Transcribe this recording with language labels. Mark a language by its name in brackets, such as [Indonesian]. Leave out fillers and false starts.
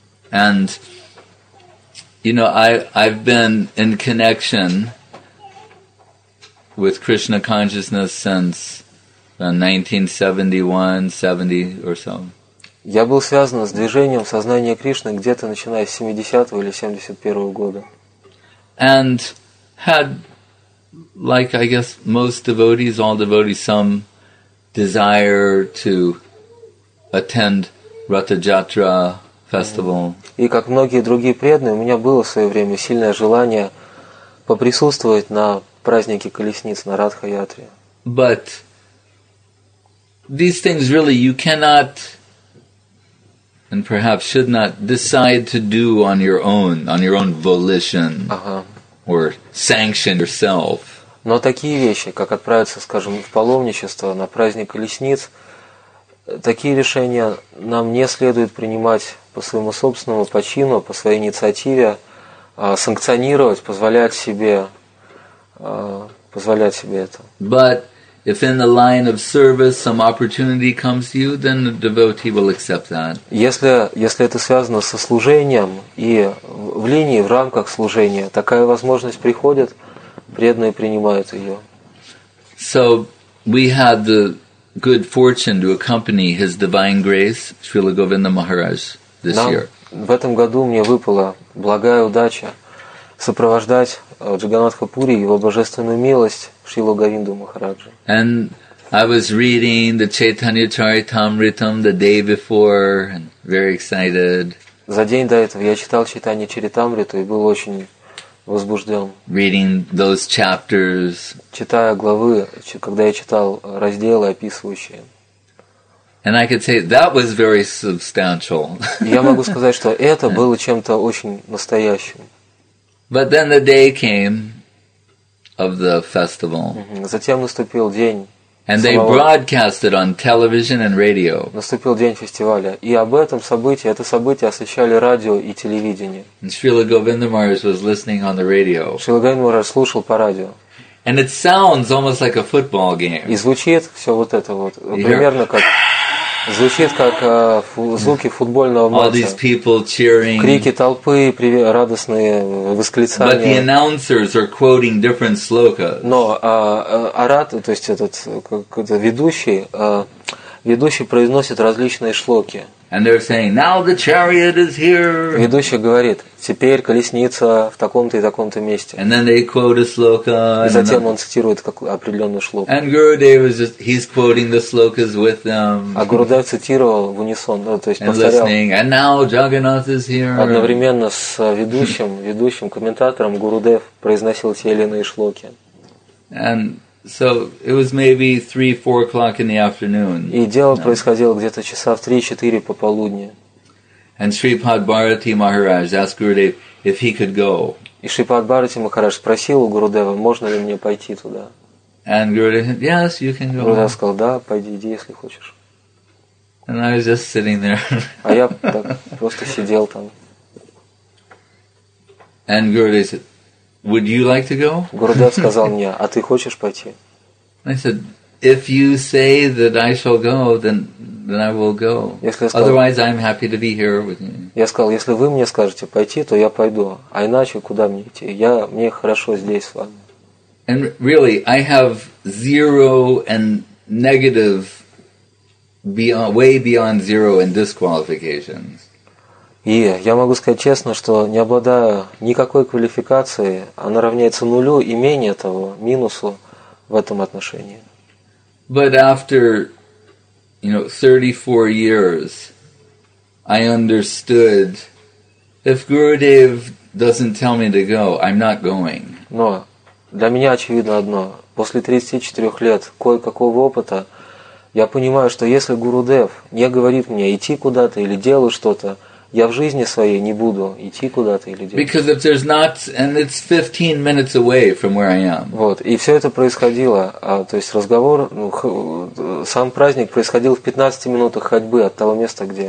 [English] And, you know, I've been in connection with Krishna consciousness since 1971, 70 or so. [Russian] Я был связан с движением сознания Кришны где-то начиная с 70-го или 71-го года. [English] And had, like I guess most devotees, all devotees, some desire to attend Ratha Jatra festival. [Russian] И как многие другие преданные, у меня было в свое время сильное желание поприсутствовать на празднике колесниц, на Радха Ятре. [English] But these things really you cannot and perhaps should not decide to do on your own volition. Or sanction yourself. [Russian] Но такие вещи, как отправиться, скажем, в паломничество на праздник колесниц, такие решения нам не следует принимать по своему собственному почину, по своей инициативе, санкционировать, позволять себе это. [English] But if in the line of service some opportunity comes to you, then the devotee will accept that. [Russian] Если это связано со служением и в линии, в рамках служения, такая возможность приходит, преданные принимают ее. [English] So we had the good fortune to accompany His Divine Grace Srila Govinda Maharaj this year. [Russian] В этом году мне выпала благая удача сопровождать Джаганнатха Пури и Его Божественную Милость Шрилу Говинду Махараджи. [English] And I was reading the Chaitanya Charitamritam the day before, and very excited. [Russian] За день до этого я читал Чайтанья Чаритамриту и был очень возбужден. [English] Reading those chapters. [Russian] Читая главы, когда я читал разделы, описывающие. [English] And I could say that was very substantial. [Russian] Я могу сказать, что это было чем-то очень настоящим. [English] But then the day came of the festival. [Russian] Затем наступил день. [English] And they broadcast it on television and radio. [Russian] Наступил день фестиваля, и об этом событии, это событие освещали радио и телевидение. [English] And Srila Govinda Maharaj was listening on the radio. [Russian] Srila Govinda Maharaj слушал по радио. [English] And it sounds almost like a football game. [Russian] И звучит все вот это вот примерно как. Звучит как звуки футбольного матча. [English] All these people cheering. [Russian] Крики толпы, радостные восклицания. [English] But the announcers are quoting different slokas. [Russian] Но то есть этот какой-то ведущий произносит различные шлоки. [English] And they're saying, now the chariot is here. [Russian] Ведущий говорит, теперь колесница в таком-то и таком-то месте. [English] And then they quote a sloka. [Russian] И затем он цитирует определенную шлоку. [English] And Gurudev is just, he's quoting the slokas with them. [Russian] А Гурудев цитировал в унисон, то есть [English] and Listening. And now Jagannath is here. [Russian] Одновременно с ведущим комментатором Гурудев произносил те или иные шлоки. [English] And so it was maybe 3-4 o'clock in the afternoon. [Russian] И дело происходило где-то часа в 3-4 пополудни. [English] And Shripad Bharati Maharaj asked Gurudev if he could go. [Russian] И Шрипад Бхарати Махарадж спросил у Гурудева, можно ли мне пойти туда. [English] And Gurudev said, yes, you can go. [Russian] Гурудев сказал, да, пойди, иди, если хочешь. [English] And I was just sitting there. [Russian] А я так просто сидел там. [English] And Gurudev said, would you like to go? [Russian] Гурудев сказал мне, а ты хочешь пойти? [English] I said, if you say that I shall go, then I will go. Otherwise, I'm happy to be here with you. [Russian] Я сказал, если вы мне скажете пойти, то я пойду. А иначе куда мне идти? Мне хорошо здесь с вами. [English] And really, I have zero and negative, way beyond zero and disqualifications. [Russian] И я могу сказать честно, что не обладаю никакой квалификацией, она равняется нулю и менее того, минусу в этом отношении. [English] But after, you know, 34 years, I understood, if Gurudev doesn't tell me to go, I'm not going. [Russian] Но для меня очевидно одно. После 34 лет кое-какого опыта, я понимаю, что если Гурудев не говорит мне идти куда-то или делать что-то, я в жизни своей не буду идти куда-то или делать. [English] Because if there's not, and it's 15 minutes away from where I am. [Russian] Вот, и все это происходило, то есть разговор, сам праздник происходил в 15 минутах ходьбы от того места, где.